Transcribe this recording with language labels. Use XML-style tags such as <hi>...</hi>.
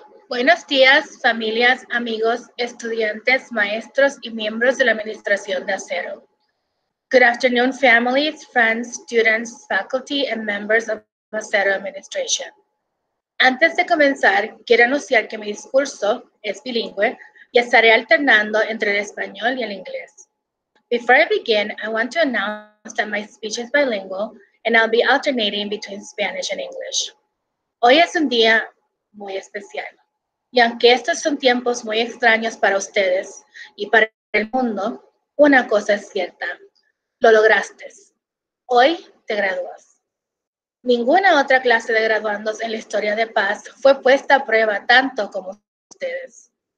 <es>Buenos días, familias, amigos, estudiantes, maestros, y miembros de la Administración de Acero.</es> <en>Good afternoon, families, friends, students, faculty, and members of Acero Administration.</en> <es>Antes de comenzar, quiero anunciar que mi discurso es bilingüe y estaré alternando entre el español y el inglés.</es> <en>Before I begin, I want to announce that my speech is bilingual and I'll be alternating between Spanish and English.</en> <es>Hoy es un día muy especial. Y aunque estos son tiempos muy extraños para ustedes y para el mundo, una cosa es cierta. Lo lograste. Hoy te gradúas. Ninguna otra clase de graduandos en la historia de Paz fue puesta a prueba tanto como ustedes.</es>